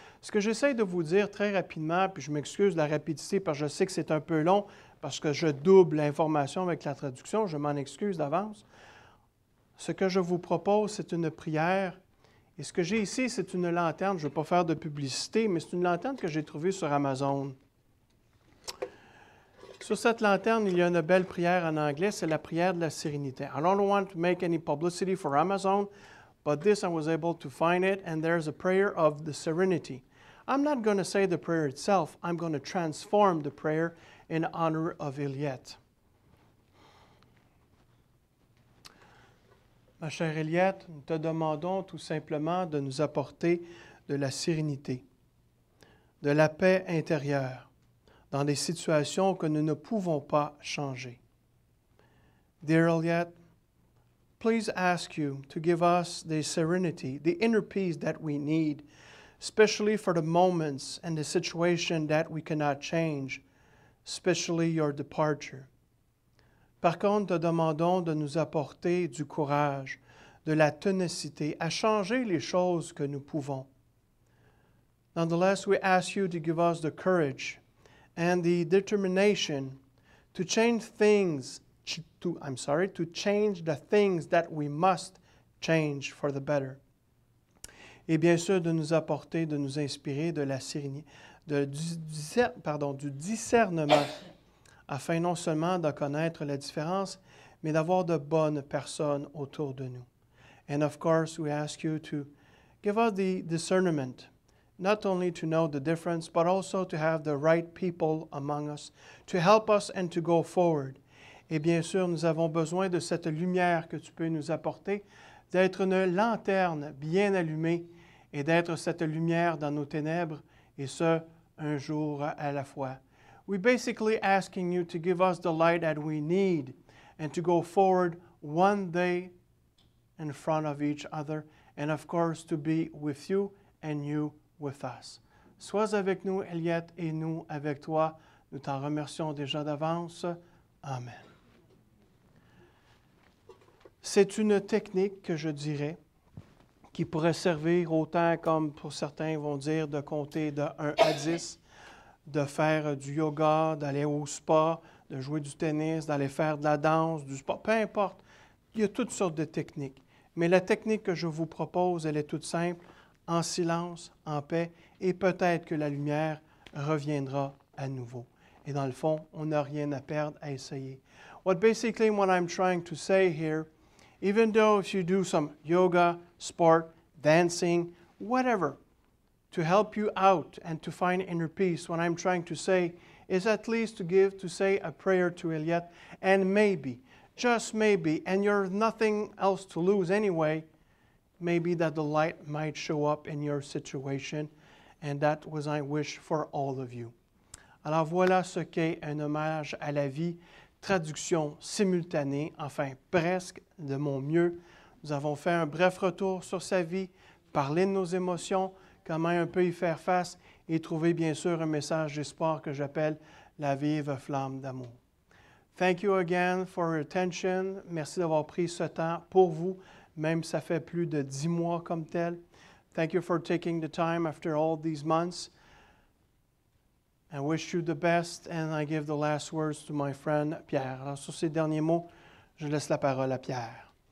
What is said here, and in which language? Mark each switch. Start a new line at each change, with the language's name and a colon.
French: Ce que j'essaie de vous dire très rapidement, puis je m'excuse de la rapidité parce que je sais que c'est un peu long, parce que je double l'information avec la traduction, je m'en excuse d'avance. Ce que je vous propose, c'est une prière. Et ce que j'ai ici, c'est une lanterne. Je ne veux pas faire de publicité, mais c'est une lanterne que j'ai trouvée sur Amazon. Sur cette lanterne, il y a une belle prière en anglais. C'est la prière de la sérénité.
English: I don't want to make any publicity for Amazon, but this I was able to find it, and there's a prayer of the serenity. I'm not going to say the prayer itself. I'm going to transform the prayer in honor of Eliette.
French: Ma chère Eliette, nous te demandons tout simplement de nous apporter de la sérénité, de la paix intérieure dans des situations que nous ne pouvons pas changer.
English: Dear Eliette, please ask you to give us the serenity, the inner peace that we need, especially for the moments and the situation that we cannot change, especially your departure.
French: Par contre, te demandons de nous apporter du courage, de la ténacité à changer les choses que nous pouvons.
English: Nonetheless, we ask you to give us the courage and the determination to change things, to change the things that we must change for the better.
French: Et bien sûr, de nous apporter, de nous inspirer de la sérénité, du discernement, afin non seulement de connaître la différence, mais d'avoir de bonnes personnes autour de nous.
English: And of course, we ask you to give us the discernment, not only to know the difference, but also to have the right people among us, to help us and to go forward.
French: Et bien sûr, nous avons besoin de cette lumière que tu peux nous apporter, d'être une lanterne bien allumée et d'être cette lumière dans nos ténèbres, et ce, un jour à la fois.
English: We're basically asking you to give us the light that we need and to go forward one day in front of each other and, of course, to be with you and you with us.
French: Sois avec nous, Eliette, et nous avec toi. Nous t'en remercions déjà d'avance. Amen. C'est une technique que je dirais qui pourrait servir autant comme pour certains vont dire de compter de 1 à 10, de faire du yoga, d'aller au spa, de jouer du tennis, d'aller faire de la danse, du sport, peu importe. Il y a toutes sortes de techniques. Mais la technique que je vous propose, elle est toute simple, en silence, en paix, et peut-être que la lumière reviendra à nouveau. Et dans le fond, on n'a rien à perdre à essayer.
English: What basically what I'm trying to say here, even though if you do some yoga, sport, dancing, whatever, to help you out and to find inner peace, what I'm trying to say is at least to say a prayer to Eliette, and maybe, just maybe, and you're nothing else to lose anyway, maybe that the light might show up in your situation, and that was my wish for all of you.
French: Alors voilà ce qu'est un hommage à la vie, traduction simultanée, enfin presque de mon mieux. Nous avons fait un bref retour sur sa vie, parlé de nos émotions, comment un peu y faire face et trouver, bien sûr, un message d'espoir que j'appelle la vive flamme d'amour.
English: Thank you again for your attention.
French: Merci d'avoir pris ce temps pour vous, même ça fait plus de 10 mois comme tel.
English: Thank you for taking the time after all these months. I wish you the best and I give the last words to my friend Pierre.
French: Alors, sur ces derniers mots, je laisse la parole à Pierre.